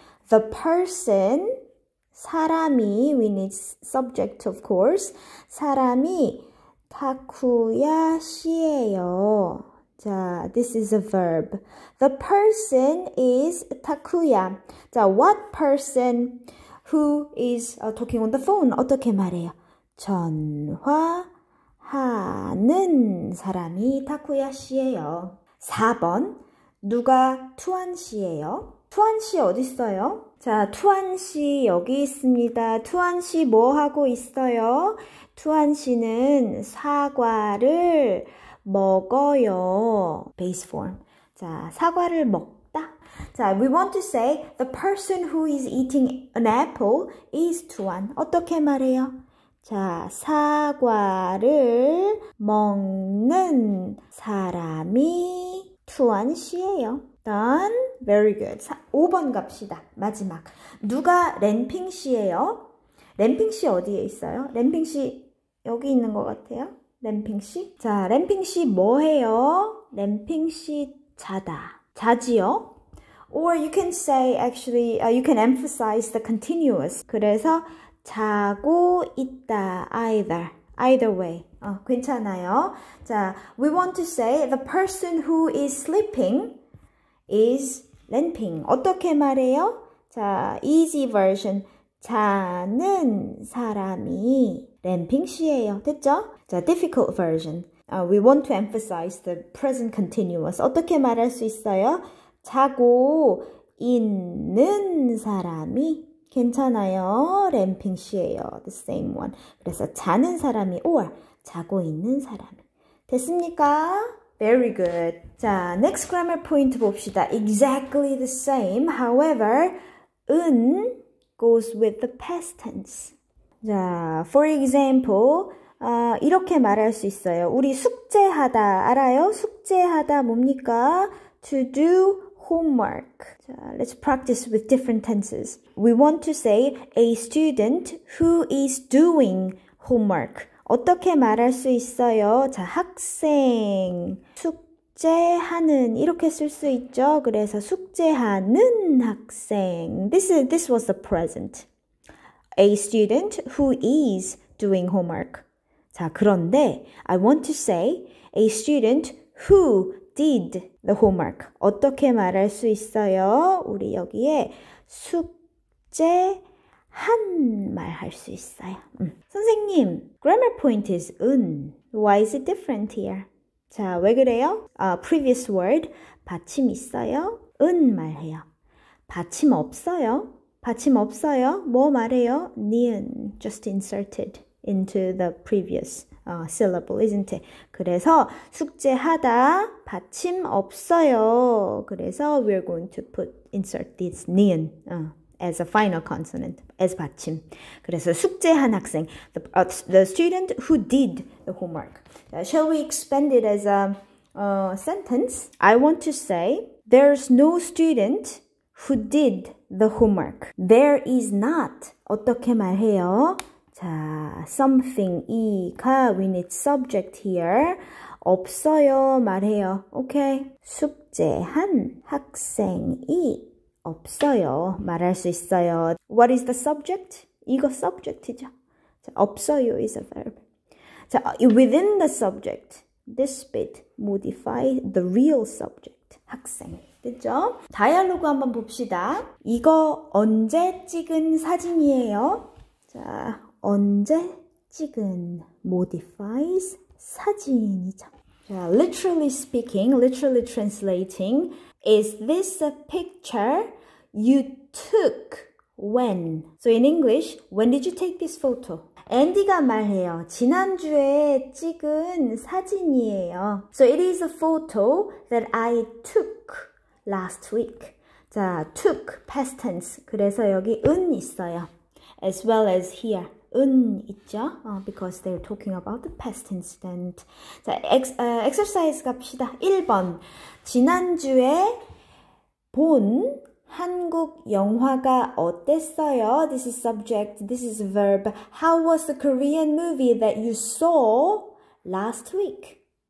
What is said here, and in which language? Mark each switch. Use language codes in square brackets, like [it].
[en] The person [ko] 사람이, [en] we need subject of course. [ko] 사람이 타쿠야 씨예요. 자, [en] this is a verb. The person is 타쿠야. 자, what person who is talking on the phone? [ko] 어떻게 말해요? 전화하는 사람이 타쿠야 씨예요. 4번, 누가 투안 씨예요? 투안 씨 어디 있어요? 자, 투안 씨 여기 있습니다. 투안 씨 뭐 하고 있어요? 투안 씨는 사과를 먹어요. [en] Base form. [ko] 자, 사과를 먹다. 자, [en] we want to say the person who is eating an apple is 투안. [ko] 어떻게 말해요? 자, 사과를 먹는 사람이 투안 씨예요. [en] Done. Very good. [ko] 5번 갑시다. 마지막. 누가 램핑 씨예요? 램핑 씨 어디에 있어요? 램핑 씨 여기 있는 것 같아요. 램핑 씨. 자, 램핑 씨 뭐해요? 램핑 씨 자다. 자지요? [en] Or you can say actually, you can emphasize the continuous. [ko] 그래서 자고 있다. [en] Either. Either way. [ko] 괜찮아요. 자, [en] we want to say the person who is sleeping is 램핑. [ko] 어떻게 말해요? 자, [en] easy version. [ko] 자는 사람이 램핑 씨예요. 됐죠? 자, [en] difficult version. We want to emphasize the present continuous. [ko] 어떻게 말할 수 있어요? 자고 있는 사람이 괜찮아요. 램핑 씨예요. [en] The same one. [ko] 그래서 자는 사람이 [en] or [ko] 자고 있는 사람이. 됐습니까? [en] Very good. [ko] 자, [en] next grammar point [ko] 봅시다. [en] Exactly the same. However, 은 goes with the past tense. [ko] 자, for example, 이렇게 말할 수 있어요. 우리 숙제하다 알아요? 숙제하다 뭡니까? [en] To do homework. 자, let's practice with different tenses. We want to say a student who is doing homework. [ko] 어떻게 말할 수 있어요? 자, 학생, 숙제하는, 이렇게 쓸 수 있죠? 그래서 숙제하는 학생. [en] This was the present. A student who is doing homework. [ko] 자, 그런데 [en] I want to say a student who did the homework. [ko] 어떻게 말할 수 있어요? 우리 여기에 숙제 한 말 할 수 있어요. 선생님, [en] grammar point is 은. Why is it different here? [ko] 자, 왜 그래요? Previous word, 받침 있어요? 은 말해요. 받침 없어요? 받침 없어요? 뭐 말해요? [en] 니은, just inserted into the previous syllable, isn't it? [ko] 그래서 숙제하다, 받침 없어요. 그래서 [en] we're going to put insert this 니은. As a final consonant, as 받침. [ko] 그래서 숙제한 학생, [en] the student who did the homework. Shall we expand it as a sentence? I want to say, there's no student who did the homework. There is not. [ko] 어떻게 말해요? 자, something, 이가, [en] we need subject here. [ko] 없어요, 말해요. [en] Okay. [ko] 숙제한 학생이 없어요. 말할 수 있어요. [en] What is the subject? [ko] 이거 subject이죠. 자, 없어요 [en] is a verb. [ko] 자, [en] within the subject, this bit modify the real subject. [ko] 학생. 됐죠? 다이얼로그 한번 봅시다. 이거 언제 찍은 사진이에요? 자, 언제 찍은 [en] modifies [ko] 사진이죠. 자, [en] literally speaking, literally translating, is this a picture you took when? So in English, when did you take this photo? [ko] 앤디가 말해요. 지난주에 찍은 사진이에요. [en] So it is a photo that I took last week. [ko] 자, [en] took, past tense. [ko] 그래서 여기 은 있어요. [en] As well as here, [ko] 은 있죠? [en] Because they're talking about the past incident. [ko] 자, [en] exercise [ko] 갑시다. 1번. 지난주에 본 한국 영화가 어땠어요? [en] This is subject. This is verb. How was the Korean movie that you saw last week?